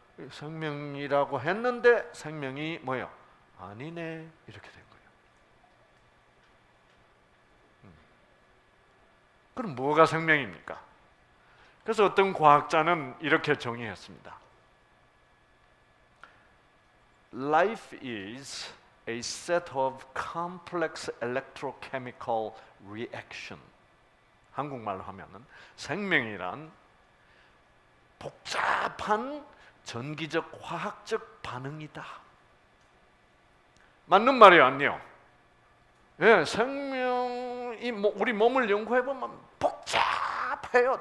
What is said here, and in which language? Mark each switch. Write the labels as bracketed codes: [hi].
[ko] 생명이라고 했는데 생명이 뭐예요? 아니네. 이렇게 된 거예요. 그럼 뭐가 생명입니까? 그래서 어떤 과학자는 이렇게 정의했습니다. [en] Life is a set of complex electrochemical reaction. [ko] 한국말로 하면은 생명이란 복잡한 전기적 화학적 반응이다. 맞는 말이 아니요. 예, 생명이 우리 몸을 연구해 보면 복잡해요.